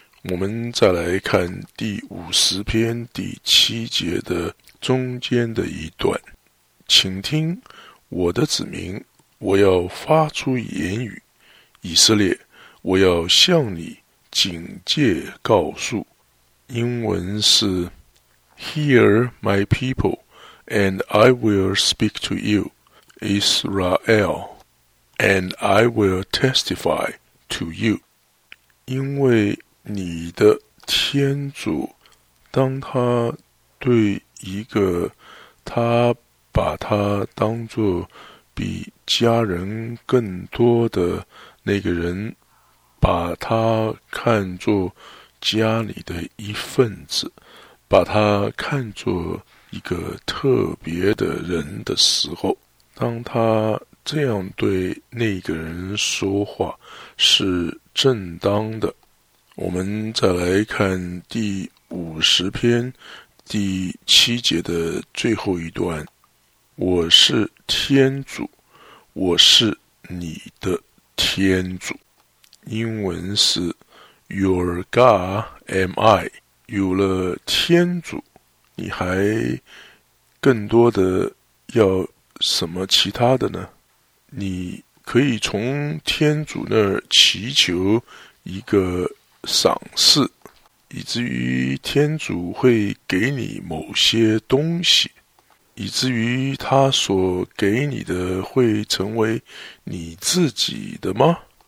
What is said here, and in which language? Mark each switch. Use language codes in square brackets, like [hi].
[zh] 我们再来看第50篇第7节的中间的一段，请听我的子民，我要发出言语，以色列，我要向你警戒告诉。英文是 [en] Hear my people and I will speak to you, Israel, and I will testify to you. [zh] 因为你的天主，当他对一个他把他当作比家人更多的那个人，把他看作家里的一份子，把他看作一个特别的人的时候，当他这样对那个人说话是正当的。我们再来看第50篇第7节的最后一段，我是天主，我是你的天主。英文是 [en] Your God am I。 [zh] 有了天主，你还更多的要什么其他的呢？你可以从天主那儿祈求一个赏赐，以至于天主会给你某些东西，以至于他所给你的会成为你自己的吗？